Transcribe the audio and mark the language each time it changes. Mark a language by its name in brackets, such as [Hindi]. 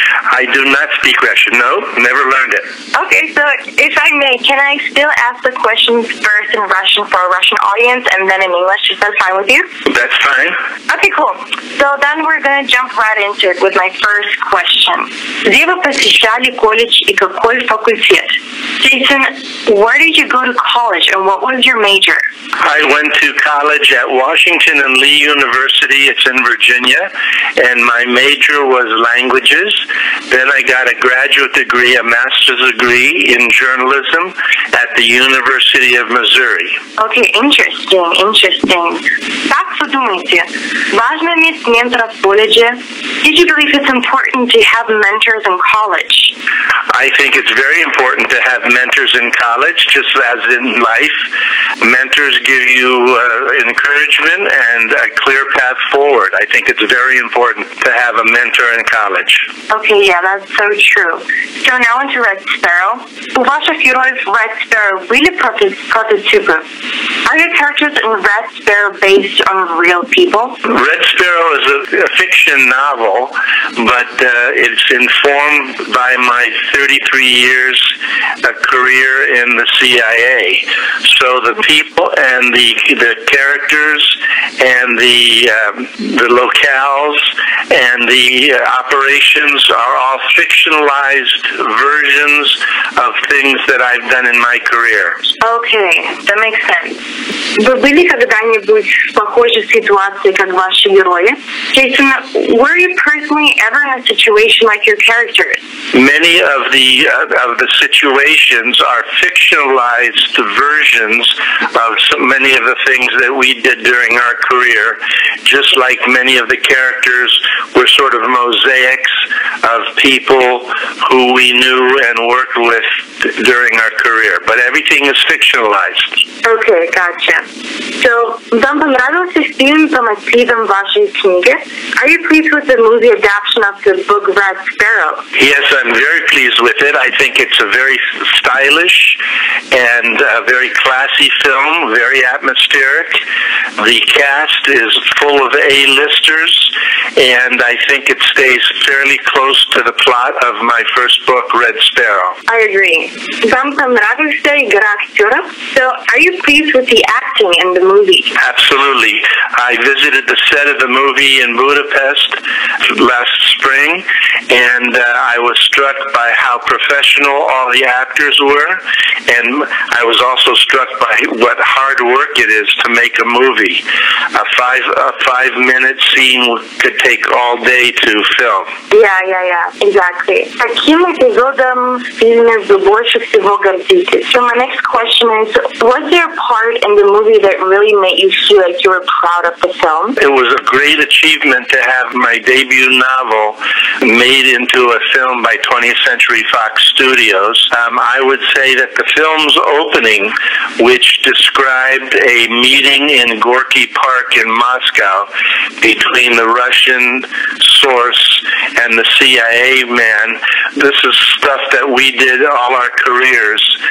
[English] I do not speak Russian, no. Never learned it. Okay, so if I may, can I still ask the questions first in Russian for a Russian audience and then in English? Is that fine with you? That's fine. Okay, cool. So then we're going to jump right into it with my first question. [Russian] Где вы посещали колледж и какой факультет? [English] Jason, where did you go to college and what was your major? I went to college at Washington and Lee University. It's in Virginia. And my major was languages. Then I got a graduate degree, a master's degree in journalism at the University of Missouri. Okay, interesting, interesting. [Russian] Так вы думаете, важно иметь ментора в колледже? [English] Did you believe it's important to have mentors in college? I think it's very important to have mentors in college, just as in life. Mentors give you encouragement and a clear path forward. I think it's very important to have a mentor in college. Okay, yeah, that's so true. So now into Red Sparrow. [Russian] У ваших героев Red Sparrow были прототипы? [English] Are your characters in Red Sparrow based on real people? Red Sparrow is a fiction novel, but it's informed by my 33 years career in the CIA. So the people and the characters and the locales and the operations are all fictionalized versions of things that I've done in my career. Okay, that makes sense. [Russian] Вы были когда-нибудь в похожей ситуации, как ваши герои? [English] Jason, were you personally ever in a situation like your characters? Many of the situations are fictionalized versions of many of the things that we did during our career, just like many of the characters were sort of mosaics of people who we knew and worked with during our career. But everything is fictionalized. Okay, gotcha. [Russian] So, вам понравился фильм по мотивам вашей книги? [English] Are you pleased with the movie adaptation of the book Red Sparrow? Yes, I'm very pleased with it. I think it's a very stylish and a very classy film, very atmospheric. The cast is full of A-listers, and I think it stays fairly close to the plot of my first book, Red Sparrow. I agree. [Russian] Вам понравился игра актеров? [English] So, are you pleased with the acting in the movie? Absolutely. I visited the set of the movie in Budapest last spring, and I was struck by how professional all the actors were, and I was also struck by what hard work it is to make a movie. A five-minute scene could take all day to film. Yeah, exactly. [Russian] Каким эпизодом фильма вы больше всего гордитесь? [English] So my next question is, was there a part in the movie that really made you feel like you were proud of the film? It was a great achievement to have my debut novel made into a film by 20th Century Fox Studios. I would say that the film's opening, which described a meeting in Gorky Park in Moscow between the Russian source and the CIA man, this is stuff that we did all our careers.